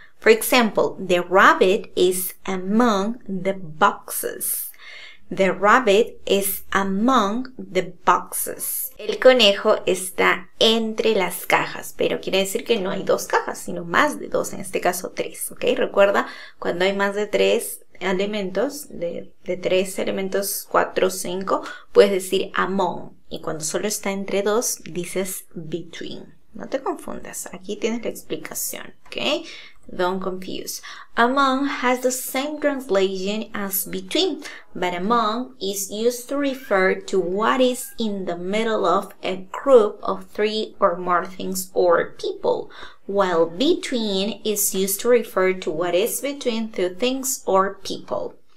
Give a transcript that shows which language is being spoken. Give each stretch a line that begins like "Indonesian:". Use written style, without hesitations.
English: For example, the rabbit is among the boxes. The rabbit is among the boxes.
Spanish: El conejo está entre las cajas, pero quiere decir que no hay dos cajas, sino más de dos, en este caso tres, ¿ok? Recuerda, cuando hay más de tres elementos, de tres elementos, cuatro o cinco, puedes decir among. Y cuando solo está entre dos, dices between. No te confundas, aquí tienes la explicación, ¿ok?
English: Don't confuse. Among has the same translation as between, but among is used to refer to what is in the middle of a group of three or more things or people, while between is used to refer to what is between two things or people.